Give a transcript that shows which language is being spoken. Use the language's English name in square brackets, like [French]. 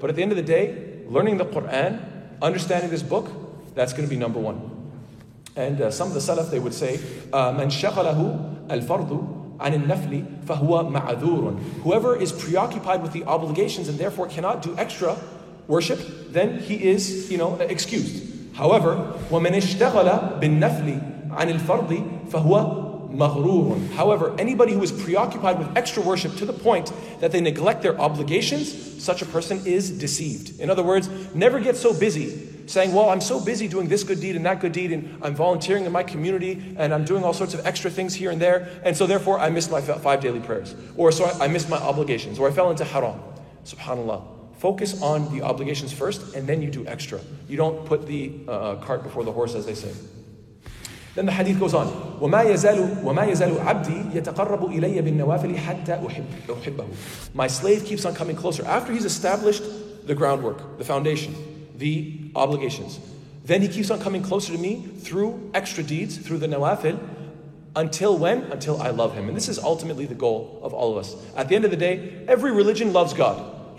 [English] But at the end of the day, learning the Quran, understanding this book, that's going to be number one. And some of the Salaf, they would say, [Arabic] مَنْ شَغَلَهُ الْفَرْضُ عن النفل فهو معذور. [English] Whoever is preoccupied with the obligations and therefore cannot do extra worship, then he is, you know, excused. However, [Arabic] ومن اشتغل بالنفل عن الفرض فهو مغرور. [English] However, anybody who is preoccupied with extra worship to the point that they neglect their obligations, such a person is deceived. In other words, never get so busy saying, well, I'm so busy doing this good deed and that good deed, and I'm volunteering in my community, and I'm doing all sorts of extra things here and there, and so therefore I missed my five daily prayers. Or so I missed my obligations, or I fell into haram. SubhanAllah. Focus on the obligations first, and then you do extra. You don't put the cart before the horse, as they say. Then the hadith goes on. [Arabic] وما يزال عبدي يتقرب إلي بالنوافل حتى أحبه. [English] My slave keeps on coming closer. After he's established the groundwork, the foundation, the obligations, then he keeps on coming closer to me through extra deeds, through the nawafil, until when? Until I love him. And this is ultimately the goal of all of us. At the end of the day, every religion loves God.